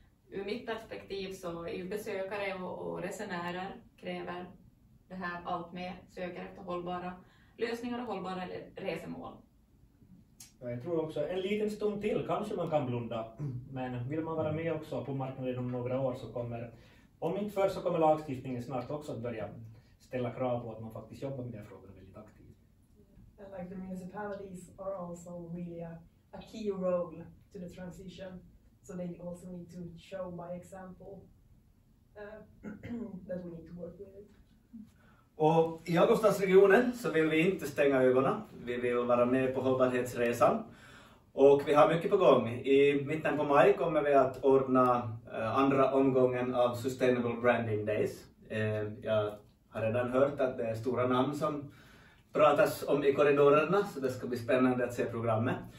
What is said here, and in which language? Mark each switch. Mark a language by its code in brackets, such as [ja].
[sv] Ur mitt perspektiv så är ju besökare och resenärer kräver det här allt mer, söker efter hållbara lösningar och hållbara resemål. Jag tror också en liten stund till kanske man kan blunda, men vill man vara med också på marknaden om några år så kommer, om inte förr så kommer lagstiftningen snart också att börja ställa krav på att man faktiskt jobbar med den frågan väldigt aktivt. [en] And like the municipalities are also really a key role to the transition, so they also need to show by example that we need to work with it. [sv] Och i Jakobstadsregionen så vill vi inte stänga ögonen. Vi vill vara med på hållbarhetsresan. Och vi har mycket på gång. I mitten på maj kommer vi att ordna andra omgången av Sustainable Branding Days. Jag har redan hört att det är stora namn som pratas om i korridorerna, så det ska bli spännande att se programmet.